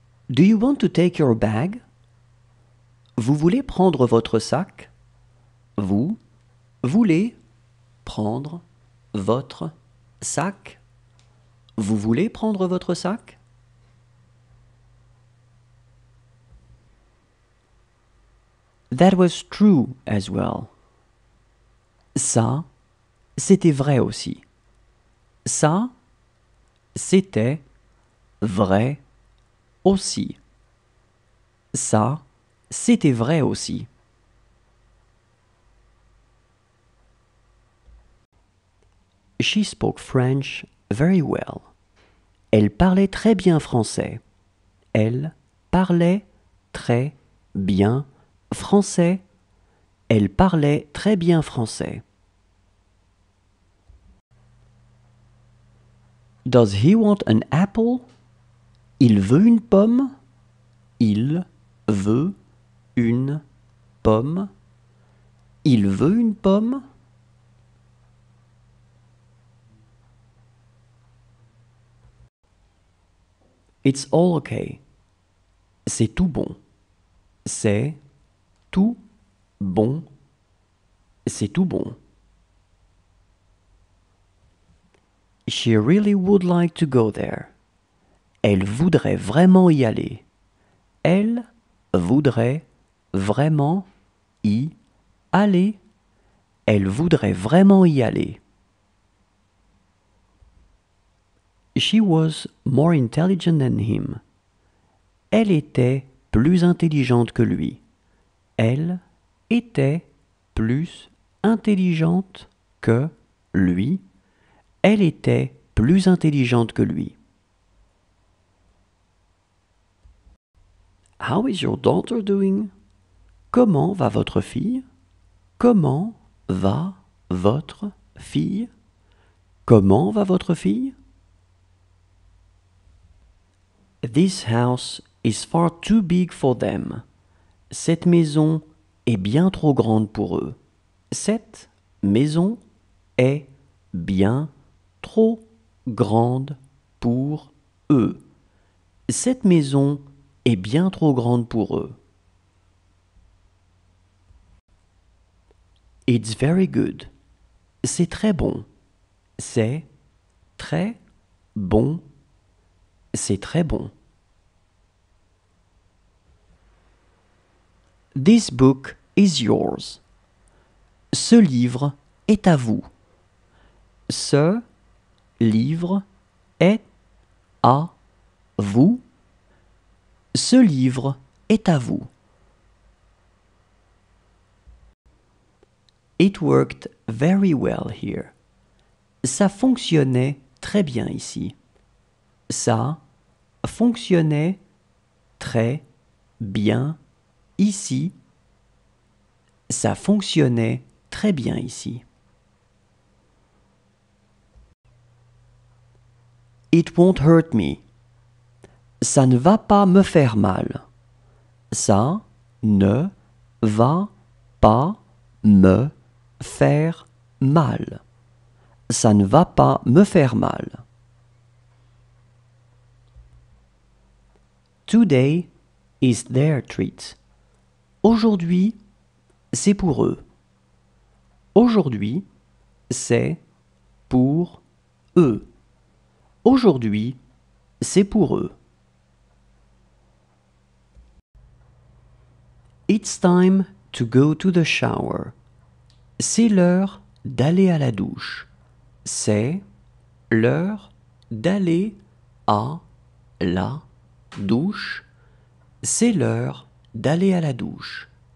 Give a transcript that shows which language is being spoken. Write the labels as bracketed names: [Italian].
[English] Do you want to take your bag? [French] Vous voulez prendre votre sac? Vous voulez prendre votre sac? Vous voulez prendre votre sac? [English] That was true as well. [French] Ça, c'était vrai aussi. Ça, c'était vrai aussi. Ça, c'était vrai aussi. [English] She spoke French very well. [French] Elle parlait très bien français. Elle parlait très bien français. Elle parlait très bien français. [English] Does he want an apple? [French] Il veut une pomme? Il veut une pomme? Il veut une pomme? [English] It's all okay. [French] C'est tout bon. C'est tout bon. C'est tout bon. [English] She really would like to go there. [French] Elle voudrait vraiment y aller. Elle voudrait vraiment y aller. Elle voudrait vraiment y aller. [English] She was more intelligent than him. [French] Elle était plus intelligente que lui. Elle était plus intelligente que lui. Elle était plus intelligente que lui. [English] How is your daughter doing? [French] Comment va votre fille? Comment va votre fille? Comment va votre fille? [English] This house is far too big for them. [French] Cette maison est bien trop grande pour eux. Cette maison est bien trop grande pour eux. Cette maison est bien trop grande pour eux. [English] It's very good. [French] C'est très bon. C'est très bon. C'est très bon. [English] This book is yours. [French] Ce livre est à vous. Ce livre est à vous. Ce livre est à vous. [English] It worked very well here. [French] Ça fonctionnait très bien ici. Ça fonctionnait très bien ici. Ça fonctionnait très bien ici. [English] It won't hurt me. [French] Ça ne va pas me faire mal. Ça ne va pas me faire mal. Ça ne va pas me faire mal. [English] Today is their treat. [French] Aujourd'hui, c'est pour eux. Aujourd'hui, c'est pour eux. Aujourd'hui, c'est pour eux. [English] It's time to go to the shower. [French] C'est l'heure d'aller à la douche. C'est l'heure d'aller à la douche. C'est l'heure d'aller à la douche.